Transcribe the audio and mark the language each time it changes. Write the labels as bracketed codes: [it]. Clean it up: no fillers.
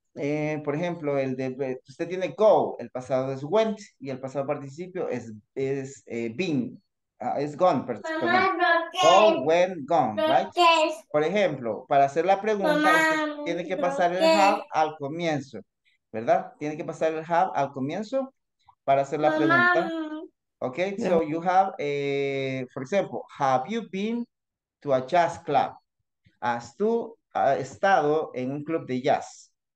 [es] Por ejemplo, el de usted tiene go, el pasado es went y el pasado participio es been. Es gone, perdón. Mamá, [en] go, went, gone, right? [es] Por ejemplo, para hacer la pregunta, mamá, usted tiene que pasar el have al comienzo, ¿verdad? Tiene que pasar el have al comienzo para hacer la pregunta. [en] Ok, yeah. So you have, for example, have you been to a jazz club? [es] ¿Has tú estado en un club de jazz?